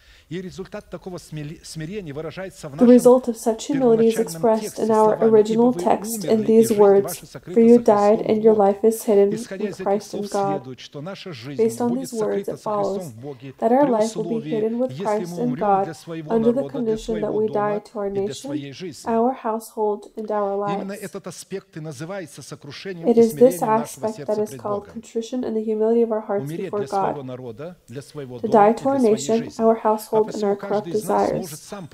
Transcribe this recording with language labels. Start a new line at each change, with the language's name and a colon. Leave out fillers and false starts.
Russian: И результат такого смирения выражается в
English: The result of such humility is expressed in our original text in these words, for you died and your life is hidden with Christ in God. Based on these words, it follows that our life will be hidden with Christ in God under the condition that we die to our nation, our household, and our lives.
Russian: Именно этот аспект и называется сокрушением
English: It is this aspect that is called contrition and the humility of our hearts before God. To die to our nation, our household, and our corrupt desires.